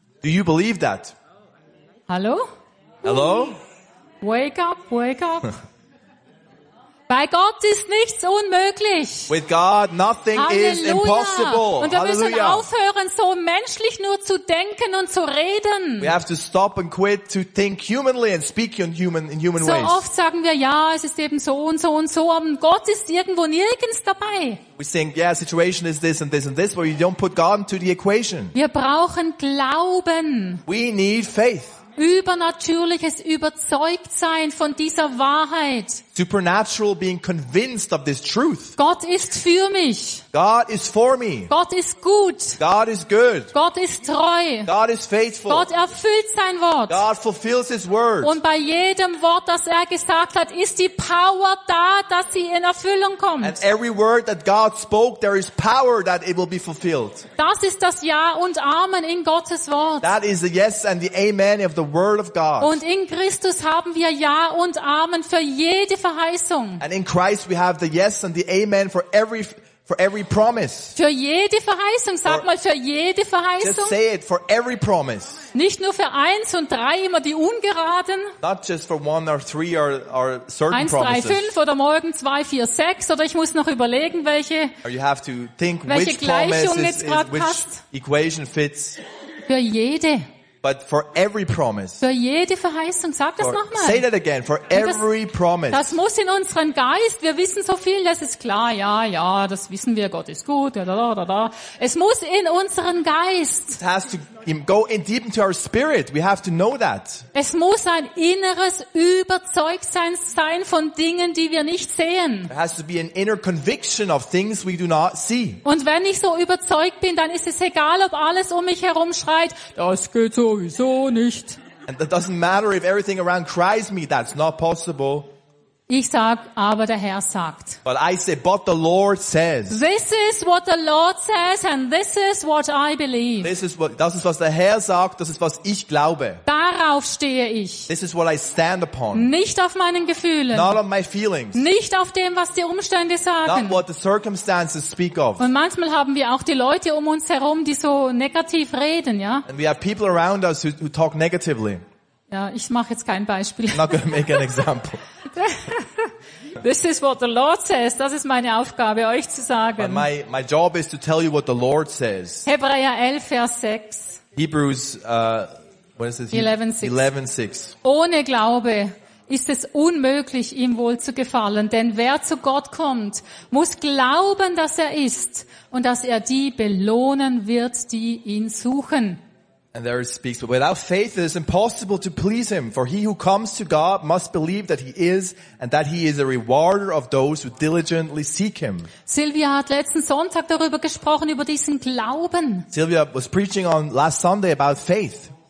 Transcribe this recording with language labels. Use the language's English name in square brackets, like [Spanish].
[English] Do you believe that? [German] Hallo? [English] Hello? Wake up. [German] Bei Gott ist nichts unmöglich. [English] With God nothing Halleluja. Is impossible. [German] Und wir Halleluja. Müssen aufhören, so menschlich nur zu denken und zu reden. [English] We have to stop and quit to think humanly and speak in human so ways. [German] So oft sagen wir, ja, es ist eben so und so und so, aber Gott ist irgendwo nirgends dabei. [English] We think, yeah, situation is this and this and this, but you don't put God into the equation. [German] Wir brauchen Glauben. [English] We need faith. [German] Übernatürliches Überzeugtsein von dieser Wahrheit. [English] supernatural being convinced of this truth. [German] Gott ist für mich. [English] God is for me. [German] Gott ist gut. [English] God is good. [German] Gott ist treu. [English] God is faithful. [German] Gott erfüllt sein Wort. [English] God fulfills his word. [German] Und bei jedem Wort, das gesagt hat, ist die Power da, dass sie in Erfüllung kommt. [English] And every word that God spoke, there is power that it will be fulfilled. [German] Das ist das Ja und Amen in Gottes Wort. [English] That is the yes and the amen of the word of God. [German] Und in Christus haben wir Ja und Amen für jede Verheißung. [English] And in Christ we have the yes and the amen for every promise. [German] Für jede Verheißung, sag mal, für jede Verheißung. [English] Just say it, for every promise. [German] Nicht nur für eins und drei, immer die ungeraden. [English] Not just for one or three or certain promises. [German] Eins, drei, fünf oder morgen zwei, vier, sechs oder ich muss noch überlegen, welche. [English] Or you have to think [German] welche [English] which [German] Gleichung jetzt gerade passt. [English] Equation fits. [German] Für jede. [English] But for every promise. [German] Für jede Verheißung, sag das nochmal. [English] Say that again. For every promise. [German] Das muss in unseren Geist. Wir wissen so viel. Das ist klar. Ja, ja. Das wissen wir. Gott ist gut. Da, da, da, da. Es muss in unseren Geist. [English] It has to go in deep into our spirit. We have to know that. [German] Es muss ein inneres Überzeugtsein sein von Dingen, die wir nicht sehen. [English] There has to be an inner conviction of things we do not see. [German] Und wenn ich so überzeugt bin, dann ist es egal, ob alles um mich herum schreit. Das geht so. Sowieso nicht. [English] And it doesn't matter if everything around cries me, that's not possible. [German] Ich sag, aber der Herr sagt. [English] But I say, but the Lord says. This is what the Lord says, and this is what I believe. [German] Das ist, was der Herr sagt, das ist, was ich glaube. Darauf stehe ich. [English] This is what I stand upon. [German] Nicht auf meinen Gefühlen. [English] Not on my feelings. [German] Nicht auf dem, was die Umstände sagen. [English] Not what the circumstances speak of. [German] Und manchmal haben wir auch die Leute um uns herum, die so negativ reden, ja? [English] And we have people around us who talk negatively. [German] Ja, ich mache jetzt kein Beispiel. [English] I'm not going to make an example. This is what the Lord says. [German] Das ist meine Aufgabe, euch zu sagen. [English] But my job is to tell you what the Lord says. [German] Hebräer 11, Vers 6. [English] Hebrews, what is it? 11:6. [German] Ohne Glaube ist es unmöglich, ihm wohl zu gefallen. Denn wer zu Gott kommt, muss glauben, dass er ist und dass er die belohnen wird, die ihn suchen. [English] And there it speaks, but without faith it is impossible to please him, for he who comes to God must believe that he is, and that he is a rewarder of those who diligently seek him. [German] Sylvia hat letzten Sonntag darüber gesprochen, über diesen Glauben. [English] Sylvia was preaching on last Sunday about faith.